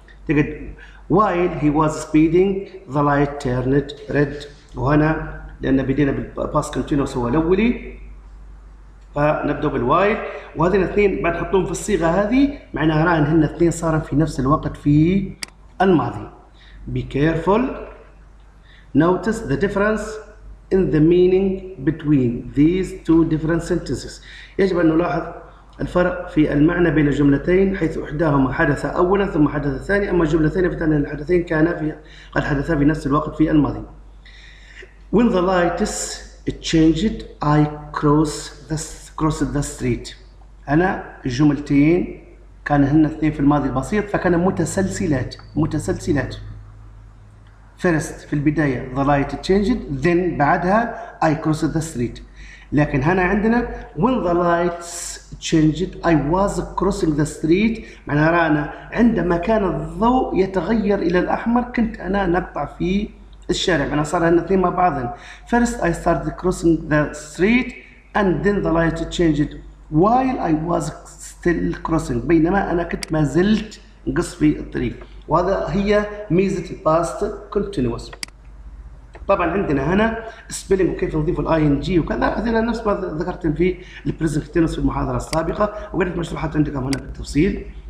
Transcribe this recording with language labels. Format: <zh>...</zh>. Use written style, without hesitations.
<ar>تقعد</ar> <en>while he was speeding the light turned red،</en> <ar>وهنا لان بدينا بالباست كونتينوس هو الاولي فنبدا بالوايل، وهذه الاثنين بعد نحطهم في الصيغه هذه معناها راهن هن الاثنين صار في نفس الوقت في الماضي.</ar> <en>be careful notice the difference in the meaning between these two different sentences.</en> <ar>يجب ان نلاحظ الفرق في المعنى بين الجملتين، حيث احداهما حدث اولا ثم حدث الثاني، اما الجمله الثانيه فتعنى ان الحدثين كانا في قد حدثا في نفس الوقت في الماضي.</ar> <en>When the lights changed I crossed the street.</en> <ar>انا الجملتين كان هن اثنين في الماضي البسيط فكان متسلسلات</ar> <en>First,</en> <ar>في البداية</ar> <en>the light changed, then</en> <ar>بعدها</ar> <en>I crossed the street.</en> <ar>لكن هنا عندنا</ar> <en>when the lights changed, I was crossing the street.</en> <ar>معناها رأنا عندما كان الضوء يتغير إلى الأحمر كنت أنا نقطع في الشارع. معناها صار هالاثنين مع بعضهم.</ar> <en>First, I started crossing the street and then the light changed while I was still crossing.</en> <ar>بينما أنا كنت ما زلت نقص في الطريق. وهذا هي ميزة past continuous. طبعا عندنا هنا spelling وكيف نضيف الـ ing وكذا، هذه نفس ما ذكرتم في الـ present continuous في المحاضرة السابقة، وقلت مشروحات عندكم هنا بالتفصيل.</ar>